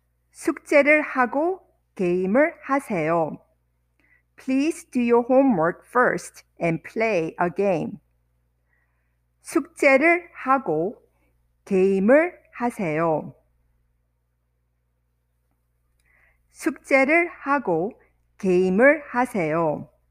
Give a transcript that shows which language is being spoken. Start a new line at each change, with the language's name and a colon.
Korean: 숙제를 하고 게임을 하세요.
English: Please do your homework first and play a game.
Korean: 숙제를 하고 게임을 하세요. 숙제를 하고 게임을 하세요.